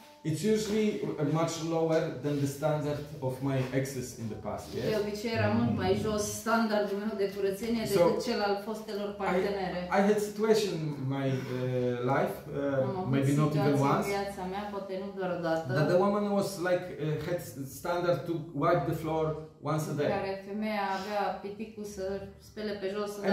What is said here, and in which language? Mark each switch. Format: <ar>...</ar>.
<en>It's usually much lower than the standard of my exes in the past, yes?</en> <ro>De obicei era mult mai jos standardul meu de curățenie decât cel al fostelor partenere.</ro> <en>I had situation in my life, maybe not even once,</en> <ro>viața mea, poate nu doar o dată,</ro> <en>that the woman was like, had standard to wipe the floor once a day.</en> <ro>Care femeia avea piticul să spele pe jos o dată</ro>